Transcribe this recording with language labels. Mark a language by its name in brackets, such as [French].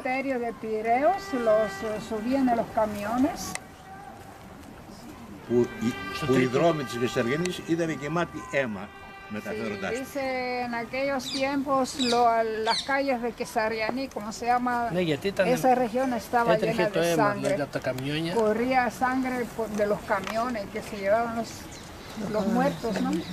[Greek] Στο κεντρικό [Spanish] de Piraeus los subían en los camiones. [Greek] Που οι δρόμοι της Κεσαριανής ήταν γεμάτοι αίμα μεταφέροντάς. [Spanish] Sí, dice en aquellos tiempos las calles de Κεσαριανή, como se llama, [Greek] ναι, γιατί ήταν, [Spanish] esa región estaba llena de [Greek] το αίμα, [Spanish] sangre. [Greek] Δηλαδή, από τα καμιόνια. [Spanish] Corría sangre de los camiones que se llevaban los muertos, ¿no?